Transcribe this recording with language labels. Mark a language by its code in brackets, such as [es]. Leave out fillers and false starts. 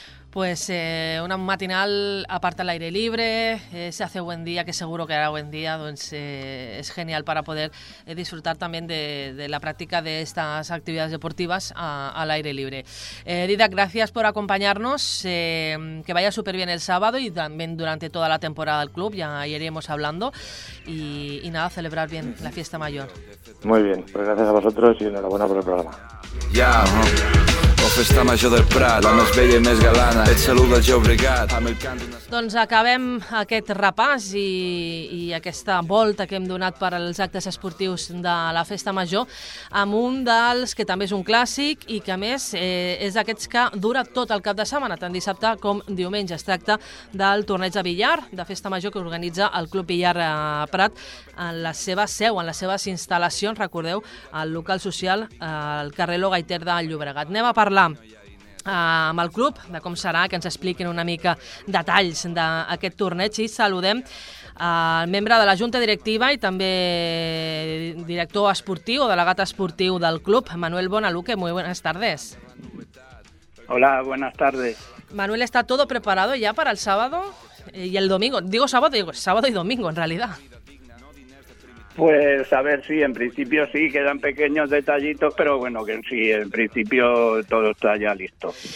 [es] Pues una matinal aparte al aire libre, se hace buen día, que seguro que hará buen día, pues, es genial para poder disfrutar también de la práctica de estas actividades deportivas al aire libre. Dida, gracias por acompañarnos, que vaya súper bien el sábado y también durante toda la temporada del club, ya iremos hablando, y nada, celebrar bien la fiesta mayor. Muy bien, pues gracias a vosotros y enhorabuena por el programa. Ya, ¿no? [ca] Festa major del Prat, la més vella i més galana, et saluda el Jou Brigat. Doncs acabem aquest repàs i aquesta volta que hem donat per als actes esportius de la Festa Major amb un dels que també és un clàssic i que a més és d'aquests que dura tot el cap de setmana, tant dissabte com diumenge. Es tracta del torneig de billar de Festa Major que organitza el Club Billar Prat en la seva seu, en les seves instal·lacions, recordeu, al local social al carrer Logaiter de Llobregat. Anem a parlar amb el club, de com serà, que ens expliquin una mica detalls d'aquest torneig, i saludem el membre de la Junta Directiva i també director esportiu o delegat esportiu del club, Manuel Bonaluque. [es] Muy buenas tardes. Hola, buenas tardes. Manuel, ¿está todo preparado ya para el sábado y el domingo? Digo sábado y domingo, en realidad. Pues a ver, sí, en principio sí, quedan pequeños detallitos, pero bueno, que sí, en principio todo está ya listo.